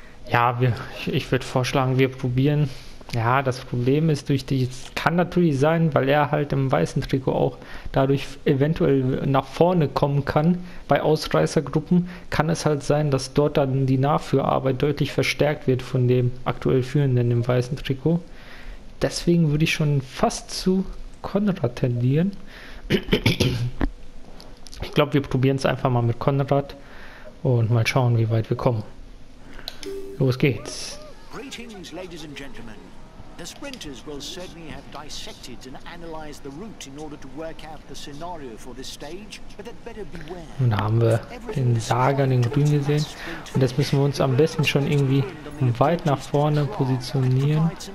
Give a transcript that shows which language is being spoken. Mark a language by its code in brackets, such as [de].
[de] Ja, ich würde vorschlagen, wir probieren. Ja, das Problem ist durch die, es kann natürlich sein, weil er halt im weißen Trikot auch dadurch eventuell nach vorne kommen kann, bei Ausreißergruppen, kann es halt sein, dass dort dann die Nachführarbeit deutlich verstärkt wird von dem aktuell Führenden im weißen Trikot. Deswegen würde ich schon fast zu Konrad tendieren. Ich glaube, wir probieren es einfach mal mit Konrad und mal schauen, wie weit wir kommen. Los geht's. [en] Greetings, ladies and gentlemen. The sprinters will certainly have dissected and analyzed the route in order to work out the scenario for this stage, but they'd better beware. [de] Und da haben wir den Sagan in grün gesehen. Und das müssen wir uns am besten schon irgendwie weit nach vorne positionieren.